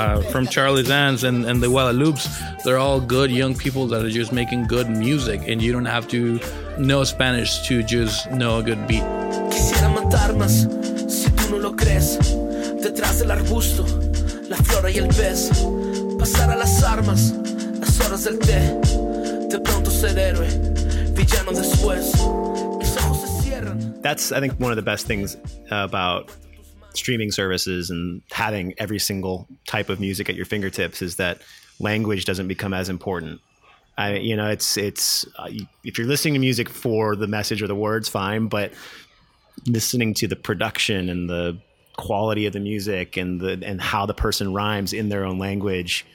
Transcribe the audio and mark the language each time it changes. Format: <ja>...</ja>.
<en>From Charlie Zanz and the Guadalupes, they're all good young people that are just making good music, and you don't have to know Spanish to just know a good beat.</en> <es>Quisiera matar más, si tú no lo crees. Detrás del arbusto, la flora y el pez. Pasar a las armas, las horas del té. De pronto ser héroe, villano después. Mis ojos se cierran.</es> <en>That's, I think, one of the best things about streaming services and having every single type of music at your fingertips is that language doesn't become as important. If you're listening to music for the message or the words, fine, but listening to the production and the quality of the music and how the person rhymes in their own language.</en>